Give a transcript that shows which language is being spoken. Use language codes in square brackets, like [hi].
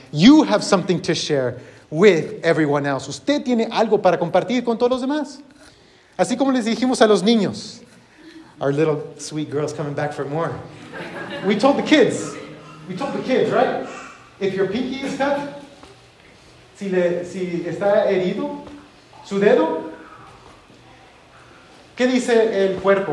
[en] You have something to share with everyone else. [es] Usted tiene algo para compartir con todos los demás. Así como les dijimos a los niños. [en] Our little sweet girl's coming back for more. We told the kids, right? If your pinky is cut, [es] si está herido, su dedo, ¿qué dice el cuerpo?